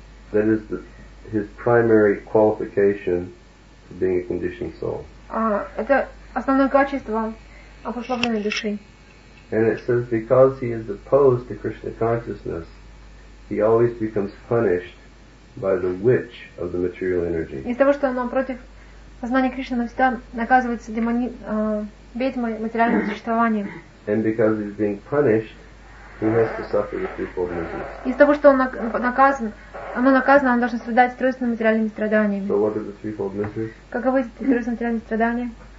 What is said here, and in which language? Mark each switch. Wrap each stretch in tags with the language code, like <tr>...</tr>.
<en>That is his primary qualification for being a conditioned soul.</en> <ru>Это основное качество обусловленной души.</ru> <en>And it says because he is opposed to Krishna consciousness, he always becomes punished by the witch of the material energy.</en> <ru>Из-за того, что она против сознания Кришны, она всегда наказывается ведьмой материального существования.</ru> <en>And because he's being punished, he has to suffer the threefold miseries.</en> <ru>Из-за того, что она наказана, она должна страдать тройственными материальными страданиями.</ru> <en>So what are the threefold miseries?</en> <ru>Каковы эти тройственные материальные страдания?</ru>